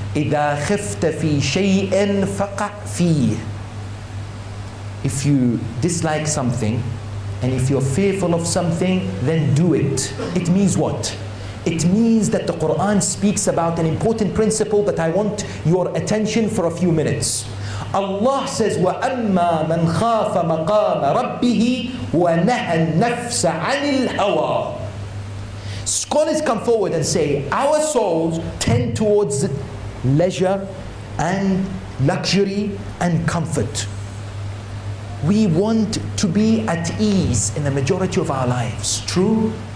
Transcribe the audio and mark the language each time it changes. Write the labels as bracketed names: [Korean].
[Arabic] إِذَا خِفْتَ فِي شَيْءٍ فَقَعْ فِيهِ. [English] If you dislike something, and if you're fearful of something, then do it. It means what? It means that the Quran speaks about an important principle that I want your attention for a few minutes. Allah says, [Arabic] وَأَمَّا مَنْ خَافَ مَقَامَ رَبِّهِ وَنَهَى النَّفْسَ عَنِ الْهَوَى. [English] Scholars come forward and say, our souls tend towards leisure and luxury and comfort. We want to be at ease in the majority of our lives. True?